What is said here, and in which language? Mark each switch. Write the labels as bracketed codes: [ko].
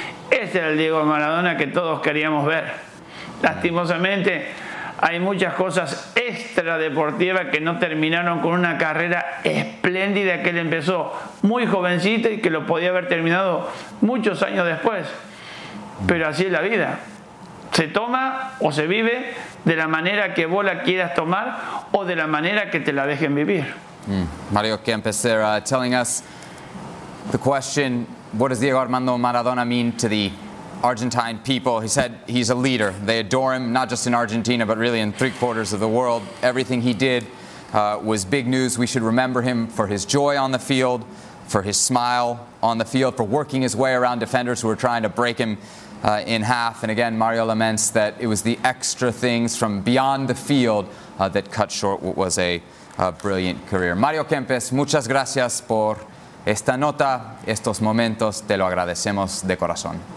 [es] Ese era el Diego Maradona que todos queríamos ver. Lastimosamente, hay muchas cosas extradeportivas que no terminaron con una carrera espléndida que él empezó muy jovencito y que lo podía haber terminado muchos años después. Pero así es la vida. Se toma o se vive de la manera que vos la quieras tomar o de la manera que te la dejen vivir. [en] Mario Kempes there telling us the question, what does Diego Armando Maradona mean to the Argentine people? He said he's a leader. They adore him, not just in Argentina, but really in three quarters of the world. Everything he did was big news. We should remember him for his joy on the field, for his smile on the field, for working his way around defenders who were trying to break him in half. And again, Mario laments that it was the extra things from beyond the field that cut short what was a brilliant career. [es] Mario Kempes, muchas gracias por esta nota, estos momentos, te lo agradecemos de corazón.